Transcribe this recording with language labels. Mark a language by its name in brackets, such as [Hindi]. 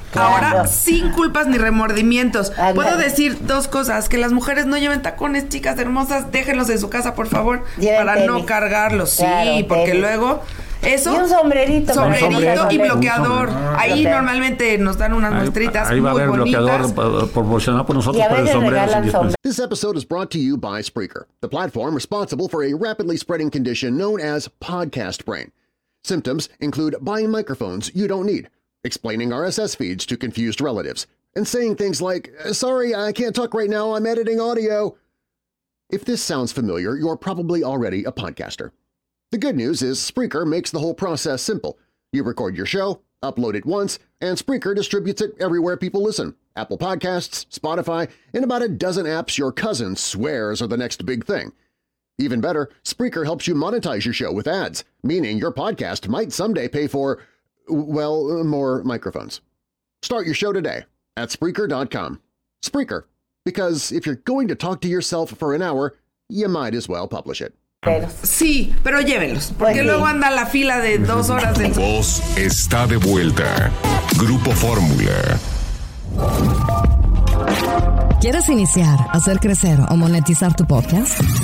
[Spanish] Ahora, sin culpas ni remordimientos, puedo decir dos cosas: que las mujeres no lleven tacones, chicas hermosas, déjenlos en su casa, por favor, para no cargarlos, porque luego Eso. Y un sombrerito. Sombrerito y bloqueador. Ahí normalmente nos dan unas muestritas muy bonitas. Ahí va a haber bloqueador proporcionado por nosotros para el sombrero. [English] This episode is brought to you by Spreaker, the platform responsible for a rapidly spreading condition known as podcast brain. Symptoms include buying microphones you don't need, explaining RSS feeds to confused relatives, and saying things like, sorry, I can't talk right now, I'm editing audio. If this sounds familiar, you're probably already a podcaster. The good news is Spreaker makes the whole process simple. You record your show, upload it once, and Spreaker distributes it everywhere people listen. Apple Podcasts, Spotify, and about a dozen apps your cousin swears are the next big thing. Even better, Spreaker helps you monetize your show with ads, meaning your podcast might someday pay for, well, more microphones. Start your show today at Spreaker.com. Spreaker, because if you're going to talk to yourself for an hour, you might as well publish it. [Spanish] Sí, pero llévenlos, porque pues luego anda la fila de dos horas. Tu voz está de vuelta. Grupo Fórmula. ¿Quieres iniciar, hacer crecer o monetizar tu podcast?